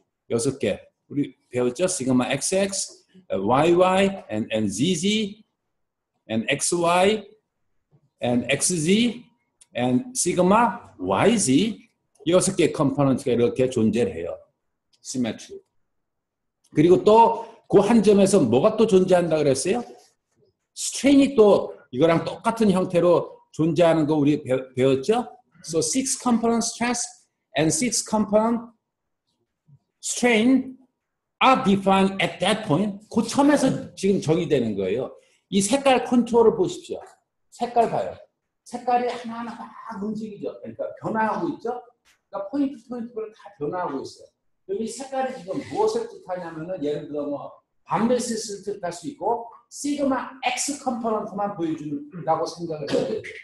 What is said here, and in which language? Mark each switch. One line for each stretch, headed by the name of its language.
Korean: 여섯 개. 우리 배웠죠? 시그마 XX, YY, and ZZ, and XY, and XZ, and 시그마 YZ. 여섯 개의 컴포넌트가 이렇게 존재해요. 시메트리. 그리고 또 그 한 점에서 뭐가 또 존재한다 그랬어요? 스트레인이 또 이거랑 똑같은 형태로 존재하는 거 우리 배웠죠?
English: So six component stress and six component strain are defined at that point.
Korean: 그 점에서 지금 정의되는 거예요. 이 색깔 컨트롤을 보십시오. 색깔 봐요. 색깔이 하나하나 막 움직이죠. 그러니까 변화하고 있죠? 그러니까 포인트 포인트를 다 변화하고 있어요. 그럼 이 색깔이 지금 무엇을 뜻하냐면은 예를 들어 뭐 밤메시스를 뜻할 수 있고 시그마 X 컴포넌트만 보여준다고 생각을 해요.